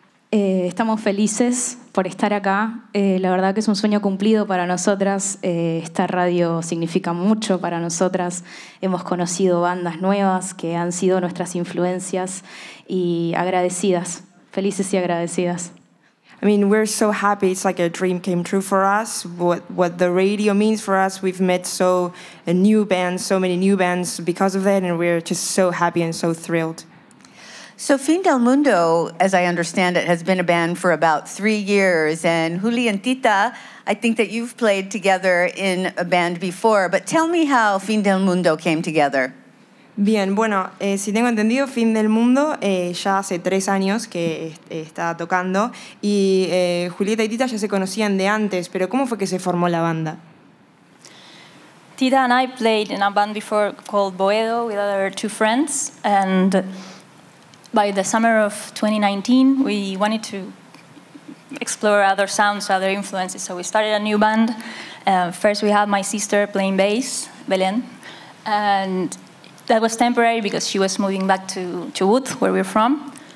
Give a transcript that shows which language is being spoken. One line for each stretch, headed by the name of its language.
Spanish: Estamos felices por estar acá. La verdad que es un sueño cumplido para nosotras. Esta radio significa mucho para nosotras. Hemos conocido bandas nuevas que han sido nuestras influencias y agradecidas, felices y agradecidas.
English: I mean, we're so happy. It's like a dream came true for us. What the radio means for us, we've met so many new bands because of that, and we're just so happy and so thrilled. So Fin del Mundo, as I understand it, has been a band for about 3 years, and Juli and Tita, I think that you've played together in a band before, but tell me how Fin del Mundo came together.
Spanish: Bien, bueno, si tengo entendido, Fin del Mundo ya hace 3 años que está tocando y Julieta y Tita ya se conocían de antes, pero ¿cómo fue que se formó la banda?
English: Tita and I played in a band before called Boedo with other 2 friends, and by the summer of 2019 we wanted to explore other sounds, other influences, so we started a new band. First we had my sister playing bass, Belén, and that was temporary because she was moving back to Wood, where we're from.